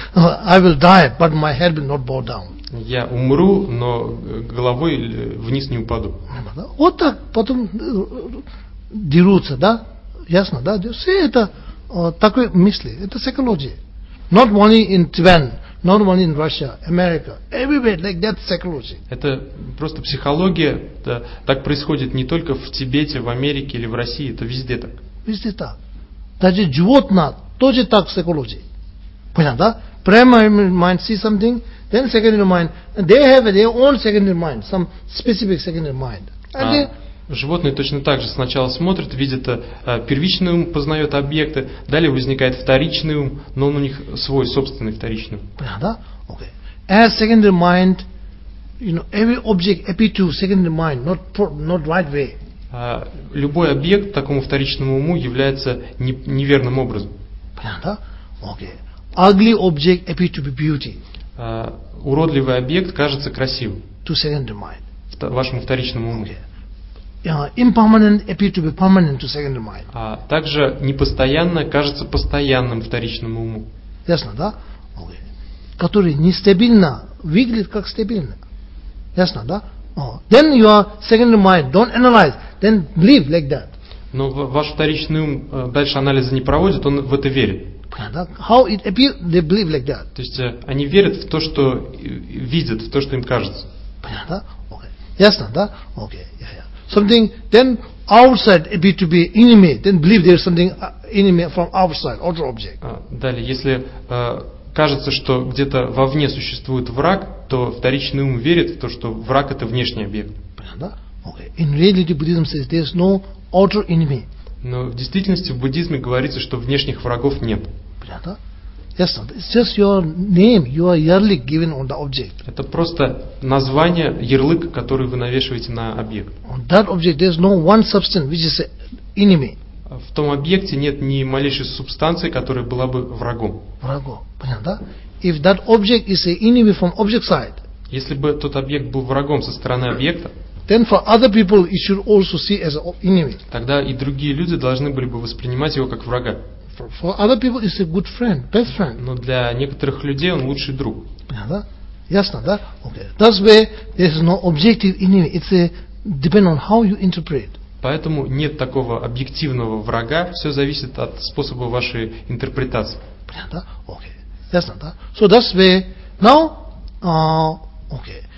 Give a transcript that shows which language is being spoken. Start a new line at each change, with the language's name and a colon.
English: I will die, but my head will not bow down.
Russian: Я умру, но головой вниз не упаду. Вот так потом дерутся, да? Ясно, да? Все это такое мысли. Это психология.
English: Not only in Tibet, not only in Russia, America, everywhere, like that psychology.
Russian: Это просто психология, да, так происходит не только в Тибете, в Америке или в России, это везде так. Везде так. Даже животное тоже так психология. Понятно, да?
English: Primary mind see something, then secondary mind, and they have their own secondary mind, some specific secondary mind. And
Russian: животные точно так же сначала смотрят, видят первичный ум, познают объекты, далее возникает вторичный ум, но он у них свой, собственный вторичный ум. Понятно, да? Okay.
English: As secondary mind, you know, every object appears to secondary mind, not right way.
Russian: Любой объект такому вторичному уму является неверным образом. Понятно, да?
English: Okay. Ugly object appears to be beauty.
Russian: Уродливый объект кажется красивым.
English: To secondary mind.
Russian: Вашему вторичному уму.
English: Okay. Impermanent appears to be permanent to secondary mind.
Russian: Также непостоянное кажется постоянным вторичному уму. Ясно, да? Okay. Который нестабильно выглядит как стабильно. Ясно, да?
English: Then your secondary mind don't analyze, then believe like that.
Russian: Но ваш вторичный ум дальше анализа не проводит, он в это верит.
English: How it appears, they believe like that.
Russian: То есть они верят в то, что видят, в то, что им кажется. Понятно, да? Okay. Ясно, да? Okay.
English: Yeah, yeah. Something then outside appears to be enemy, then believe there is something enemy from outside, other object.
Russian: Далее, если кажется, что где-то вовне существует враг, то вторичный ум верит в то, что враг это внешний объект. Понятно, да? Okay.
English: In reality, Buddhism says there is no other enemy.
Russian: Но в действительности в буддизме говорится, что внешних врагов нет. Понятно?
English: Yes, it's just your name, your ярлык given on the object.
Russian: Это просто название, ярлык, который вы навешиваете на объект.
English: On that object there's no one substance which is enemy.
Russian: В том объекте нет ни малейшей субстанции, которая была бы врагом. Врагом, понятно, да?
English: If that object is an enemy from object side.
Russian: Если бы тот объект был врагом со стороны объекта.
English: Then for other people it should also see as enemy.
Russian: Тогда и другие люди должны были бы воспринимать его как врага.
English: For other people it's a good friend, best friend.
Russian: Но для некоторых людей он лучший друг. Понятно, да? Ясно, да?
English: Okay. That's where there is no objective enemy. It's a depend on how you interpret.
Russian: Поэтому нет такого объективного врага. Все зависит от способа вашей интерпретации. Понятно, да?
English: Okay.
Russian: Ясно, да?
English: So that's where now, okay.